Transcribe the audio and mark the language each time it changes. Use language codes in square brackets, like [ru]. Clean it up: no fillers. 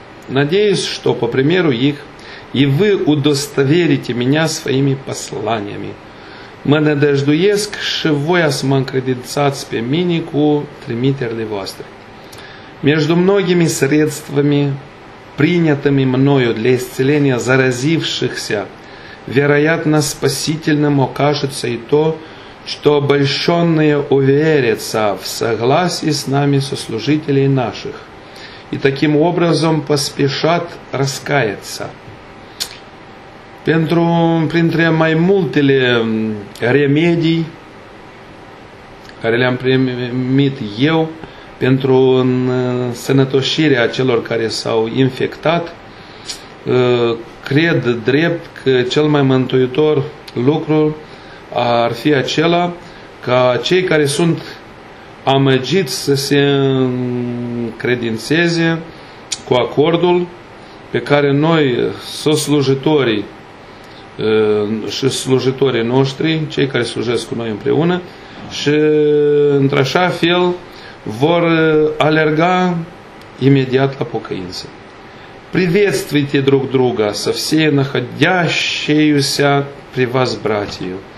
[ru] Надеюсь, что по примеру их и вы удостоверите меня своими посланиями. [ro] Mă nădăjduiesc și voi ați mă încredințați pe mine cu trimiterile voastre. [ru] Между многими средствами, принятыми мною для исцеления заразившихся, вероятно, спасительным окажется и то, что обольщенные уверятся в согласии с нами сослужителей наших, и таким образом поспешат раскаяться. [ro] Pentru printre mai multele remedii care le-am primit eu pentru sănătoșirea celor care s-au infectat, cred drept că cel mai mântuitor lucru ar fi acela ca cei care sunt amăgiți să se credințeze cu acordul pe care noi, soslujitorii și slujitorii noștri, cei care slujesc cu noi împreună, și într-așa fel vor alerga imediat la pocăință. [ru] Приветствуйте друг друга со всей находящейся при вас братью.